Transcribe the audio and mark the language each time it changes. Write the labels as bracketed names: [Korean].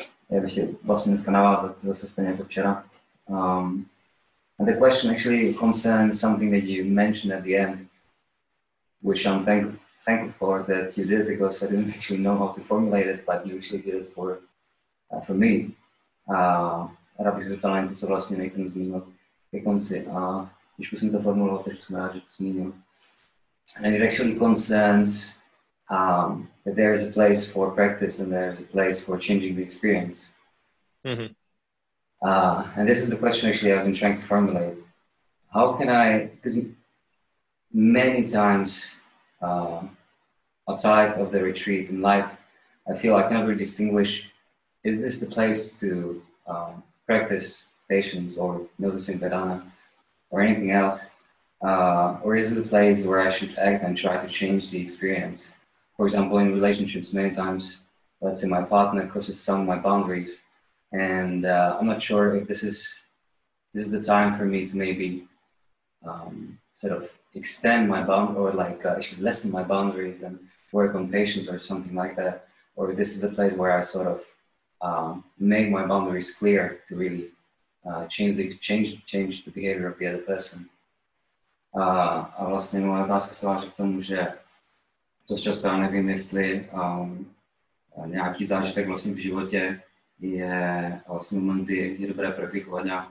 [Czech] Já bych vlastně dneska navázat zase stejně jako včera. [English] And the question actually concerns something that you mentioned at the end, which I'm thankful for that you did, because I didn't actually know how to formulate it, but you actually did it for me. [Czech] Rád bych se zeptal na něco, co vlastně Nathan zmínil ke konci. Když musím to formulovat, takže jsem rád, že to zmínil. [English] And it actually concerns that there is a place for practice and there is a place for changing the experience. Mm-hmm. And this is the question actually I've been trying to formulate. How can I, because many times outside of the retreat in life, I feel I cannot really distinguish, is this the place to practice patience or noticing vedana or anything else? Or is it a place where I should act and try to change the experience? For example, in relationships, many times, let's say my partner crosses some of my boundaries, and I'm not sure if this is the time for me to maybe sort of extend my boundary, or like actually lessen my boundary and work on patience or something like that. Or if this is the place where I sort of make my boundaries clear to really change the behavior of the other person. [Czech] A vlastně moje otázka se váže k tomu, že to často já nevím, jestli nějaký zážitek vlastně v životě je vlastně moment, kdy je dobré praktikovat